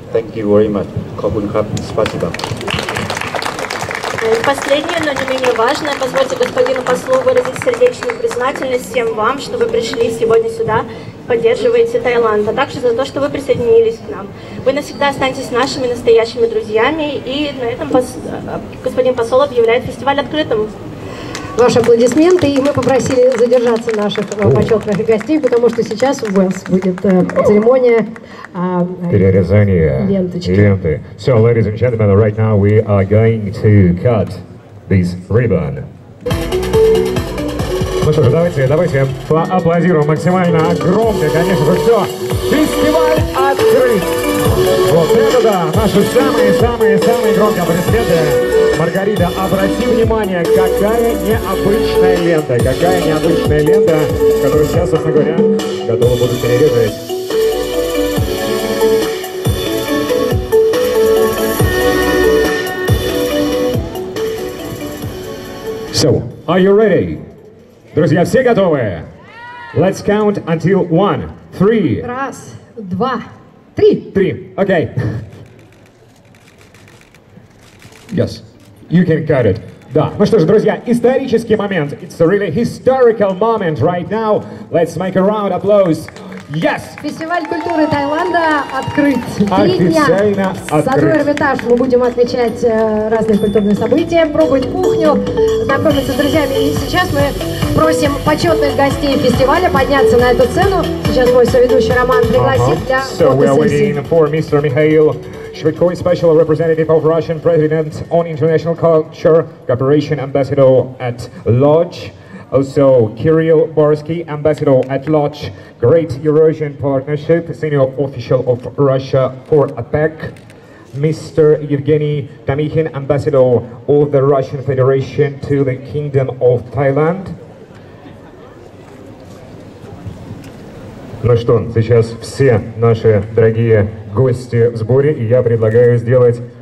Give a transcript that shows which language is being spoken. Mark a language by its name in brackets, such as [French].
[English] Thank you very much. [Thai] ขอบคุณครับ [Russian] Спасибо. Последнее, но не менее важное, позвольте господину послу выразить сердечную признательность всем вам, что вы пришли сегодня сюда, поддерживаете Таиланд, а также за то, что вы присоединились к нам. Вы навсегда останетесь нашими настоящими друзьями, и на этом господин посол объявляет фестиваль открытым. Ваши аплодисменты, и мы попросили задержаться наших почетных гостей, потому что сейчас у вас будет церемония перерезания ленты. [English] So, ladies and gentlemen, right now we are going to cut this ribbon. [Russian] Ну что же, давайте поаплодируем максимально громко, конечно же, все. Фестиваль открыт! Вот это да, наши самые-самые-самые громкие аплодисменты. Маргарита, обрати внимание, какая необычная лента, которую сейчас, собственно говоря, готовы будут перерезать. [English] So, are you ready? [Russian] Друзья, все готовы? [English] Let's count until one, three. [Russian] Раз, два, три. Три, okay. [English] Yes. You can cut it. [Russian] Да. Ну что ж, друзья, исторический момент. [English] It's a really historical moment right now. Let's make a round of applause. Yes! [Russian] Фестиваль культуры Таиланда открыт. Официально открыт. В саду Эрмитаж мы будем отмечать разные культурные события, пробовать кухню, знакомиться с друзьями. И сейчас мы просим почетных гостей фестиваля подняться на эту сцену. Сейчас мой соведущий Роман пригласит для [English] So we are waiting for Mr. Mikhail Швидко, Special Representative of Russian President on International Culture, Cooperation Ambassador at Lodge. Also, Kirill Borsky, Ambassador at Lodge, Great Eurasian Partnership, Senior Official of Russia for APEC. Mr. Evgeny Tamikhin, Ambassador of the Russian Federation to the Kingdom of Thailand. [Russian] Ну что, сейчас все наши дорогие гости в сборе, и я предлагаю сделать